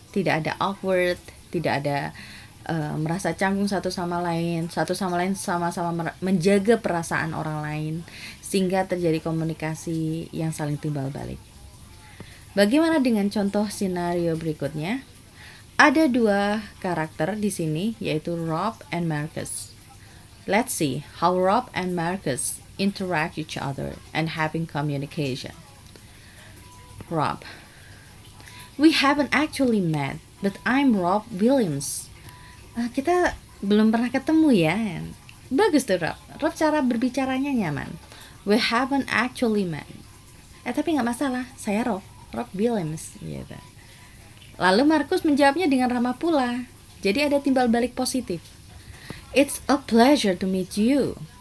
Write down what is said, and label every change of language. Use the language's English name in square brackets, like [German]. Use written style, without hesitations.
[Indonesian] Tidak ada awkward, tidak ada merasa canggung satu sama lain. Satu sama lain sama-sama menjaga perasaan orang lain, sehingga terjadi komunikasi yang saling timbal balik. Bagaimana dengan contoh scenario berikutnya? Ada dua karakter di sini, yaitu Rob and Marcus. [English] Let's see how Rob and Marcus interact each other and having communication. Rob: we haven't actually met, but I'm Rob Williams. [Indonesian] Kita belum pernah ketemu ya. Bagus tuh Rob. Rob cara berbicaranya nyaman. [English] We haven't actually met. [Indonesian] Tapi gak masalah, saya Rob. Rob Williams. Gitu. Lalu Marcus menjawabnya dengan ramah pula. Jadi ada timbal balik positif. [English] It's a pleasure to meet you.